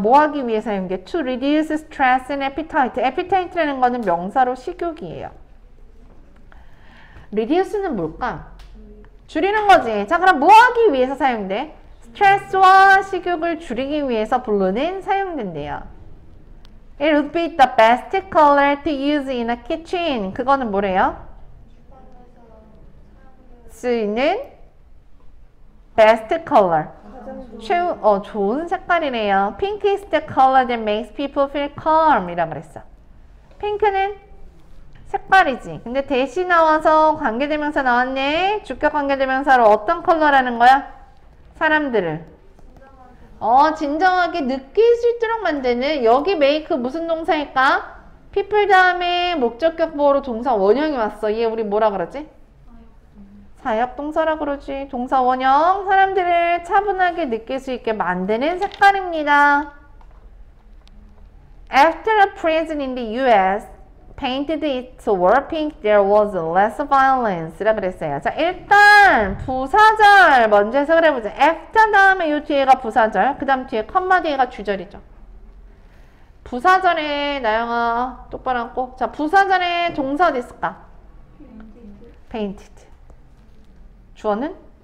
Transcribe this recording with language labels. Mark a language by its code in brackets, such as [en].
[ko] 뭐하기 위해 사용돼? [en] to reduce stress and appetite. [ko] appetite라는 거는 명사로 식욕이에요. reduce는 뭘까? 줄이는 거지. 자, 그럼 뭐 하기 위해서 사용돼? 스트레스와 식욕을 줄이기 위해서 블루는 사용된대요. [en] It would be the best color to use in a kitchen. [ko] 그거는 뭐래요? 쓰이는 [en] best color. [ko] 좋은 색깔이네요. [en] Pink is the color that makes people feel calm [ko] 이라고 그랬어. 핑크는 색깔이지. 근데 대시 나와서 관계대명사 나왔네. 주격 관계대명사로 어떤 컬러라는 거야? 사람들을 진정하게 느낄 수 있도록 만드는. 여기 make 무슨 동사일까? people 다음에 목적격 보호로 동사 원형이 왔어. 얘 우리 뭐라 그러지? 사역동사라 그러지. 동사 원형. 사람들을 차분하게 느낄 수 있게 만드는 색깔입니다. [en] After a prison in the US painted its wall pink, there was less violence. [ko] 라고 그랬어요. 자, 일단 부사절 먼저 해석을 해보자. After 다음에 이 뒤에가 부사절, 그 다음 뒤에 컴마 뒤에가 주절이죠. 부사절에 나영아 똑바로 앉고. 자, 부사절에 동사 어디 있을까? painted. 주어는?